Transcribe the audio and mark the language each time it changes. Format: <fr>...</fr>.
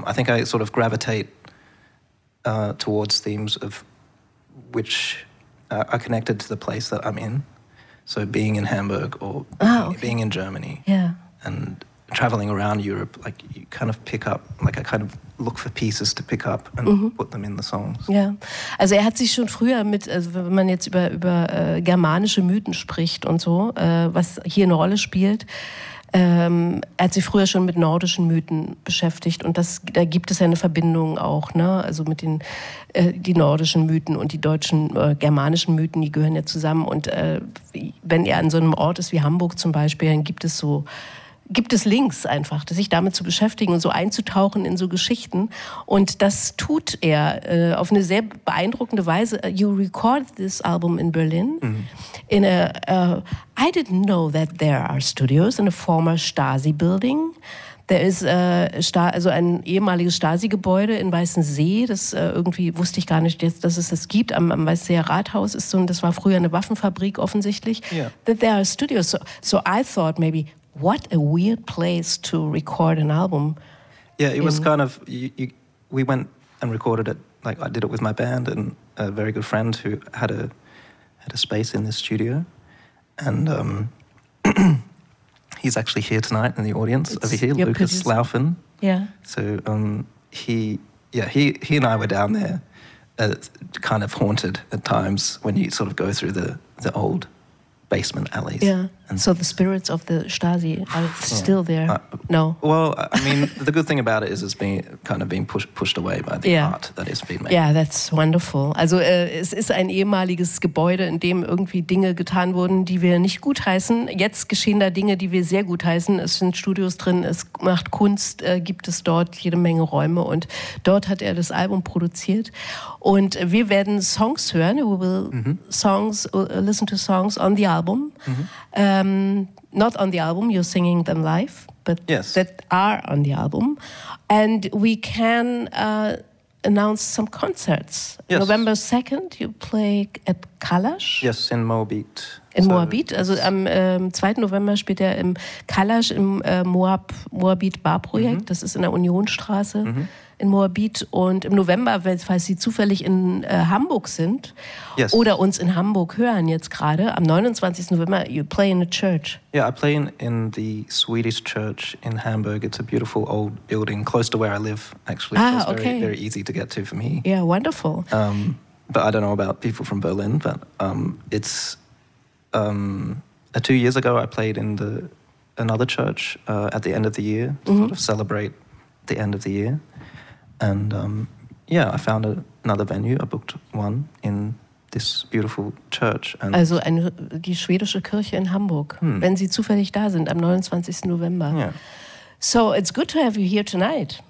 <en>I think I sort of gravitate towards themes of which are connected to the place that I'm in. So being in Hamburg or being in Germany. Yeah. And traveling around Europe, like, you kind of pick up, like, I kind of look for pieces to pick up and mm-hmm. put them in the songs.</en> <de>Ja, also er hat sich schon früher mit, also wenn man jetzt über germanische Mythen spricht und so, was hier eine Rolle spielt, er hat sich früher schon mit nordischen Mythen beschäftigt und das, da gibt es ja eine Verbindung auch, ne? Also mit den die nordischen Mythen und die deutschen, germanischen Mythen, die gehören ja zusammen. Und wenn er an so einem Ort ist wie Hamburg zum Beispiel, dann gibt es so, gibt es Links einfach, sich damit zu beschäftigen und so einzutauchen in so Geschichten. Und das tut er auf eine sehr beeindruckende Weise.</de> <en>You recorded this album in Berlin. Mm-hmm. In a, I didn't know that there are studios in a former Stasi building.</en> <de>There is also ein ehemaliges Stasi-Gebäude in Weißensee. Das irgendwie wusste ich gar nicht, jetzt, dass es das gibt. Am Weißensee Rathaus ist so, das war früher eine Waffenfabrik offensichtlich.</de> <en>Yeah. That there are studios. So I thought maybe, what a weird place to record an album. Yeah, it was kind of, we went and recorded it, like, I did it with my band and a very good friend who had a space in this studio. And he's actually here tonight in the audience, it's over here, Lucas producer. Laufen. Yeah. So he and I were down there, kind of haunted at times when you sort of go through the old basement alleys. Yeah. And so the spirits of the Stasi are still there. Well, I mean, the good thing about it is it's been kind of being pushed away by the art that is being made. Yeah, that's wonderful.</en> <de>Also es ist ein ehemaliges Gebäude, in dem irgendwie Dinge getan wurden, die wir nicht gut heißen. Jetzt geschehen da Dinge, die wir sehr gut heißen. Es sind Studios drin, es macht Kunst, gibt es dort jede Menge Räume und dort hat er das Album produziert.</de> <en>Und wir werden Songs hören. We will mm-hmm. songs listen to songs on the album. Mm-hmm. Not on the album, you're singing them live, but yes. that are on the album. And we can announce some concerts. Yes. November 2nd, you play at Kalash. Yes, in Moabit.</en> <de>In Moabit, also am 2. November spielt er im Kalash, im Moabit Bar Projekt. Mm-hmm. Das ist in der Unionstraße mm-hmm. in Moabit. Und im November, falls Sie zufällig in Hamburg sind</de> <en>yes.</en> <de>oder uns in Hamburg hören jetzt gerade, am 29.</de> <en>November, you play in a church. Yeah, I play in the Swedish church in Hamburg. It's a beautiful old building, close to where I live, actually. Ah, so it's very, very easy to get to for me. Yeah, wonderful. But I don't know about people from Berlin, but it's... 2 years ago, I played in the another church at the end of the year to mm-hmm. sort of celebrate the end of the year. And I found another venue. I booked one in this beautiful church. And</en> <de>also die schwedische Kirche in Hamburg, wenn Sie zufällig da sind am 29. November.</de> <en>Yeah. So it's good to have you here tonight.</en>